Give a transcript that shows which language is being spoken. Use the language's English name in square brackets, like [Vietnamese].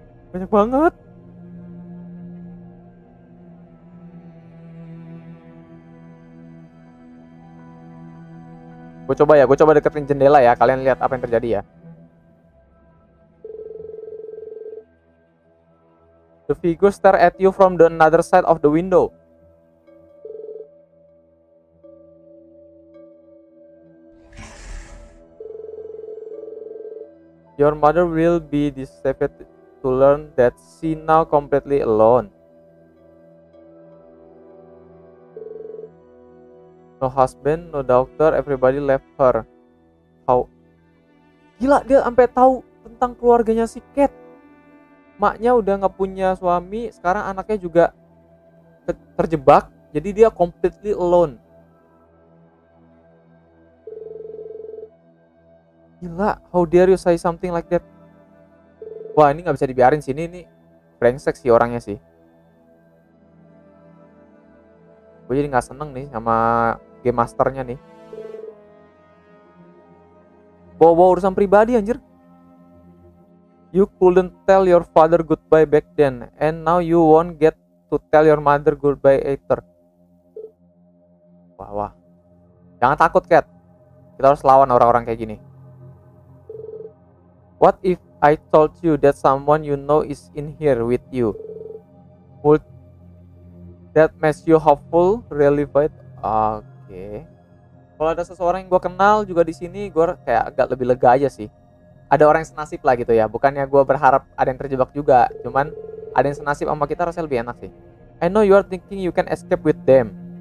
[Indonesian] Banyak banget. Gue coba deketin jendela ya. Kalian lihat apa yang terjadi ya. [English] The figure stare at you from the another side of the window. Your mother will be deceived to learn that she now completely alone. No husband, no doctor, everybody left her. How? [Indonesian] Gila, dia sampai tahu tentang keluarganya si Cat. Maknya udah nggak punya suami, sekarang anaknya juga terjebak, jadi dia [English] completely alone. Gila, how dare you say something like that? [Indonesian] Wah, ini nggak bisa dibiarin sih, ini brengsek sih orangnya sih. Gue jadi nggak seneng nih sama game masternya nih. Bawa-bawa urusan pribadi, anjir. [English] You couldn't tell your father goodbye back then, and now you won't get to tell your mother goodbye either. [Indonesian] Wah. Jangan takut, Cat. Kita harus lawan orang-orang kayak gini. [English] What if I told you that someone you know is in here with you? Would that make you hopeful, relieved? [Indonesian] Okay. Kalau ada seseorang yang gue kenal juga di sini, gue kayak agak lebih lega aja sih. Ada orang yang senasib lah gitu ya. Bukannya gue berharap ada yang terjebak juga, cuman ada yang senasib sama kita rasanya lebih enak sih. [English] I know you are thinking you can escape with them.